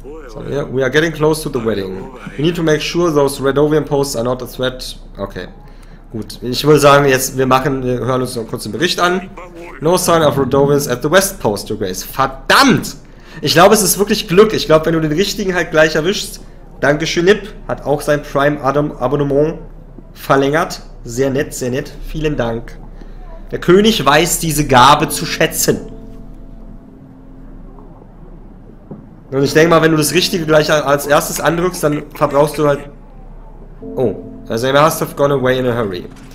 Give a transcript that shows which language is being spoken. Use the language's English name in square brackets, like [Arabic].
[English] So, yeah, we are getting close to the wedding. We need to make sure those Redovian posts are not a threat. [German] Okay. Gut. Ich würde sagen, jetzt wir hören uns noch kurz den Bericht an. [English] No sign of Redovians at the West Post, Your Grace. [German] Verdammt! Ich glaube, es ist wirklich Glück. Ich glaube, wenn du den richtigen halt gleich erwischst. Dankeschön, Nip. Hat auch sein Prime-Abonnement verlängert. Sehr nett, sehr nett. Vielen Dank. Der König weiß diese Gabe zu schätzen. Und ich denke mal, wenn du das Richtige gleich als erstes andrückst, dann verbrauchst du halt... Oh. [English] Also, you must have gone away in a hurry.